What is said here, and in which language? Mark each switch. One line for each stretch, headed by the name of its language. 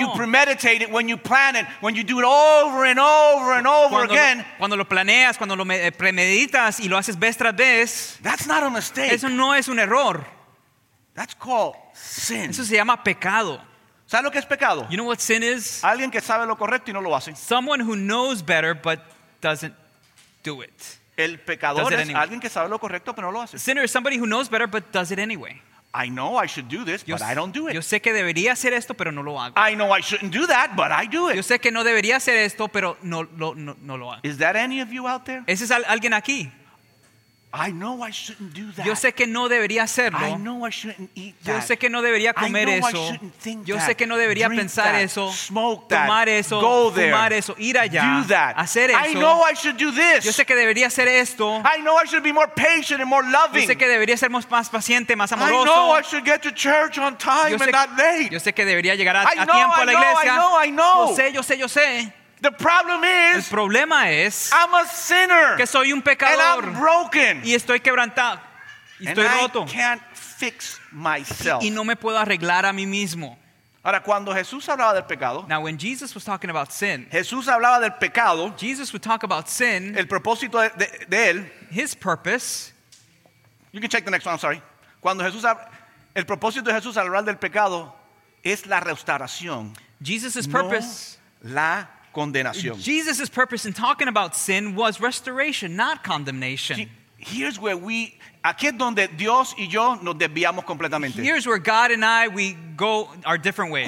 English: You premeditate it, when you plan it, when you do it over and over and over
Spanish: cuando
English: again.
Spanish: Cuando lo planeas, cuando lo premeditas y lo haces vez tras vez.
English: That's not a mistake.
Spanish: Eso no es un error.
English: That's called sin.
Spanish: Eso se llama pecado. ¿Sabes lo que es pecado?
English: You know what sin is?
Spanish: Alguien que sabe lo correcto y no lo hace.
English: Someone who knows better but doesn't do it.
Spanish: El pecador
English: does it anyway.
Spanish: Es alguien que sabe lo correcto pero no lo hace.
English: Sinner is somebody who knows better but does it anyway. I know I should do this, but I don't do it.
Spanish: Yo sé que debería hacer esto, pero no lo hago.
English: I know I shouldn't do that, but I do it.
Spanish: Yo sé que no debería hacer esto, pero no lo hago.
English: Is that any of you out there?
Spanish: ¿Ese es alguien aquí?
English: I know I shouldn't do that.
Spanish: Yo sé que no debería hacerlo.
English: I know I shouldn't eat that.
Spanish: Yo sé que no debería comer eso.
English: I know I shouldn't think that.
Spanish: Yo sé que no debería pensar eso.
English: Smoke that.
Spanish: Tomar eso.
English: Go there.
Spanish: Fumar eso. Ir allá.
English: Do that.
Spanish: Hacer eso.
English: I know I should do this.
Spanish: Yo sé que debería hacer esto.
English: I know I should be more patient and more loving.
Spanish: Yo sé que debería ser más paciente, más amoroso.
English: I know I should get to church on time and not late.
Spanish: Yo sé que debería llegar a tiempo a la iglesia.
English: I know.
Spanish: Yo sé.
English: The problem is,
Spanish: el problema es,
English: I'm a sinner,
Spanish: que soy un pecador,
English: and I'm broken,
Spanish: y estoy quebrantado, y
English: and
Spanish: estoy roto,
English: I can't fix myself,
Spanish: y no me puedo arreglar a mí mismo. Ahora, cuando Jesús hablaba del pecado,
English: now when Jesus was talking about sin,
Spanish: Jesús hablaba del pecado,
English: Jesus would talk about sin,
Spanish: el propósito de él,
English: his purpose, you can check the next one. I'm sorry.
Spanish: Cuando Jesús el propósito de Jesús al hablar del pecado es la restauración.
English: Jesus's purpose,
Spanish: no la condenación.
English: Jesus' purpose in talking about sin was restoration, not condemnation. Here's where we,
Spanish: aquí es donde Dios y yo nos desviamos completamente.
English: Here's where God and I, we go our different ways.